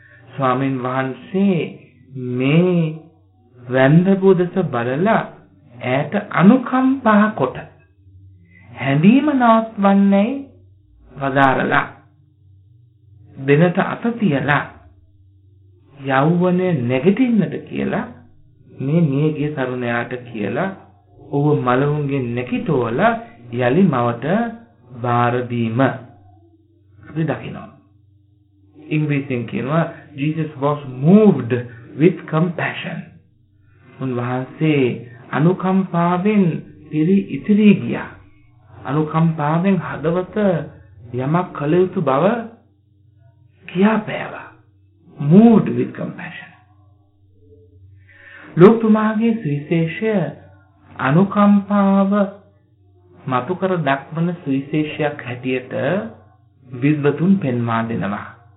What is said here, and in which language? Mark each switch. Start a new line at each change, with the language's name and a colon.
Sinhala: ස්වාමීන් වහන්සේ මේ වැන්දබුව දෙස බලලා ඈට අනුකම්පා කොට හැඳීම නවත්වන්නේ වදාරලා දෙනට අත තියලා යෞවනය නැගිටින්නට කියලා මේ නියගිය තරුණයාට කියලා ඔහු මළවුන්ගේ නැකිතෝල යලි මවට බාර දීම අපි දකිනවා. ඉංග්‍රීසියෙන් කියනවා
English: Jesus was moved with compassion.
Sinhala: උන්වහන්සේ අනුකම්පාවෙන් පිරි ඉතිරී ගියා. අනුකම්පාවෙන් හදවත යමක් කළ යුතු බව කියාපෑවා.
English: Moved with compassion.
Sinhala: ලොක්තුමාගේ සුවිශේෂය අනුකම්පාව මතු කර දක්වන සුවිශේෂයක් හැටියට විද්වතුන් පෙන්වා දෙනවා.